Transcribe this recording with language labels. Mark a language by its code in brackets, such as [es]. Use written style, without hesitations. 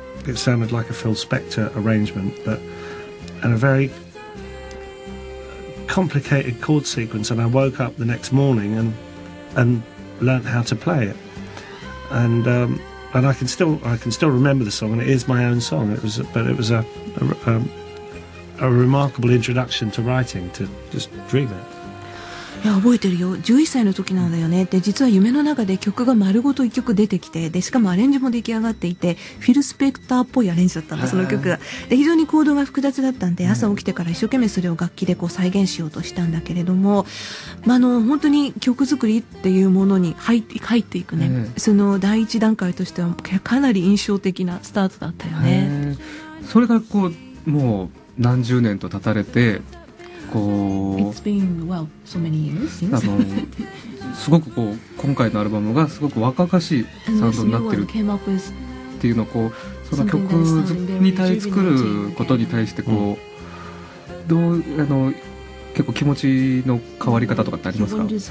[en] It sounded like a Phil Spector arrangement, but and a very complicated chord sequence. And I woke up the next morning and learnt how to play it. And I can still remember the song, and it is my own song. It was a remarkable introduction to writing, to just dream it. [ja] いや覚えてるよ、11歳の時なんだよね。で、実は夢の中で曲が丸ごと1曲出てきて、でしかもアレンジも出来上がっていて、フィル・スペクターっぽいアレンジだったんだ、その曲が。で、非常にコードが複雑だったんで、朝起きてから一生懸命それを楽器でこう再現しようとしたんだけれども、まあ、本当に曲作りっていうものに入っていくね、その第一段階としてはかなり印象的なスタートだったよね。それがこうもう何十年と経たれて、こう、 [en] It's been, well, so many years since. [ja] すごくこう今回のアルバムがすごく若々しいサウンドになってるっていうのをこう、その曲に対作ることに対してこう、どう結構気持ちの変わり方とかってありますか？